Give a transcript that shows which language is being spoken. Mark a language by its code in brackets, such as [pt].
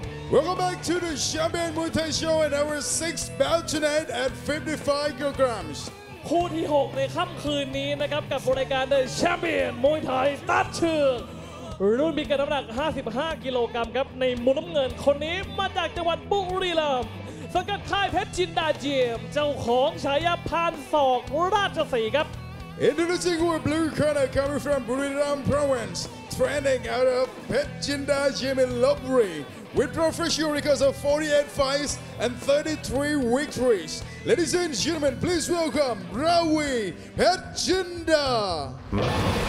[en] Welcome back to the Champion Muay Thai Show and our sixth bout tonight at 55 kilograms. [th] คู่ที่6ในค่ำคืนนี้นะครับกับรายการ The Champion Muay Thai ตัดเชือกรุ่นมีกันน้ำหนัก55กิโลกรัมครับในมุมน้ำเงินคนนี้มาจากจังหวัดบุรีรัมย์สังกัดค่ายเพชรจินดาเจียมเจ้าของฉายาพานศอกราชสีห์ครับ [en] Introducing with blue corner coming from Buriram Province training out of Pet Jinda Gym in Lopburi with professional records of 48 fights and 33 victories. Ladies and gentlemen, please welcome Rawi Pet Jinda.